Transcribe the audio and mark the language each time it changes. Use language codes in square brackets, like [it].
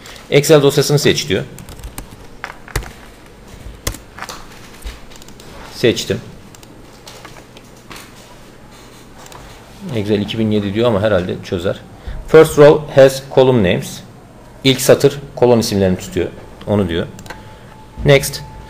[tr] Excel dosyasını seç diyor. Seçtim. Excel 2007 diyor ama herhalde çözer. [en] First row has column names. [tr] İlk satır kolon isimlerini tutuyor. Onu diyor. Next.